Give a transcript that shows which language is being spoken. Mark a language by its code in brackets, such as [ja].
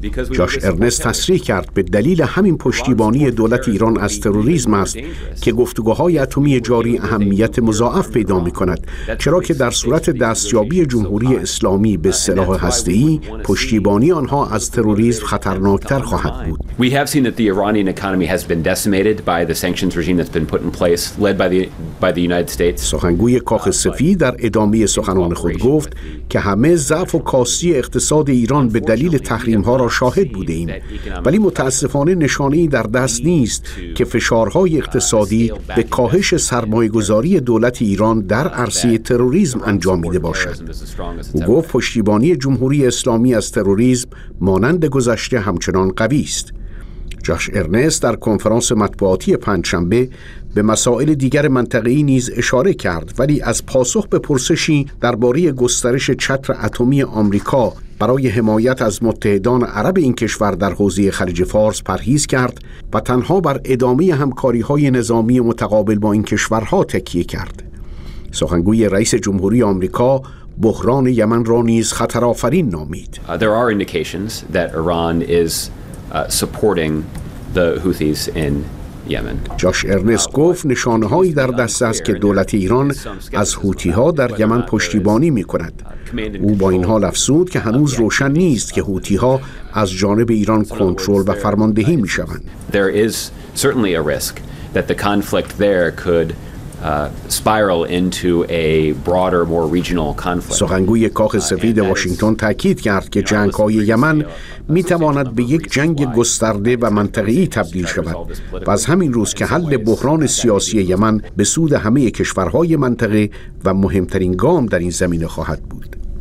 [fa] جاش ارنست تصریح کرد به دلیل همین پشتیبانی دولت ایران از تروریسم است که گفتگوهای اتمی جاری اهمیت مضاعف پیدا می کند، چرا که در صورت دستیابی جمهوری اسلامی به سلاح هسته‌ای پشتیبانی آنها از تروریسم خطرناکتر خواهد بود. [en] We have seen that the Iranian economy has been decimated by the sanctions regime that's been put in place led by the United States. [fa] سخنگوی کاخ سفید در ادامه سخنان خود گفت که همه ضعف و کاستی اقتصاد ایران به دلیل تحریم ها را شاهد بود، ولی متاسفانه نشانه‌ای در دست نیست که فشارهای اقتصادی به کاهش سرمایه‌گذاری دولت ایران در عرصه تروریسم انجامیده باشد. او گفت پشتیبانی جمهوری اسلامی از تروریسم مانند گذشته همچنان قوی است. جاش ارنست در کنفرانس مطبوعاتی پنجشنبه به مسائل دیگر منطقه‌ای نیز اشاره کرد، ولی از پاسخ به پرسشی درباره گسترش چتر اتمی آمریکا برای حمایت از متحدان عرب این کشور در حوزه خلیج فارس پرهیز کرد و تنها بر ادامه همکاری‌های نظامی متقابل با این کشورها تکیه کرد. سخنگوی رئیس جمهوری آمریکا بحران یمن را نیز خطرآفرین نامید. [en] There are indications that Iran is supporting the Houthis in Yemen. [fa] جاش ارنست گفت نشانه‌هایی در دست است که دولت ایران از حوثی‌ها در یمن پشتیبانی می‌کند. او با این حال افزود که هنوز روشن نیست که حوثی‌ها از جانب ایران کنترل و فرماندهی می‌شوند. [en] There is certainly a risk that the conflict there could spiral into a broader, more regional conflict. [fa] سخنگوی کاخ سفید واشنگتن تأکید کرد که جنگ‌های یمن می‌تواند به یک جنگ گسترده و منطقه‌ای تبدیل شود. و از همین روز که حل بحران سیاسی یمن به سود همه کشورهای منطقه و مهمترین گام در این زمینه خواهد بود.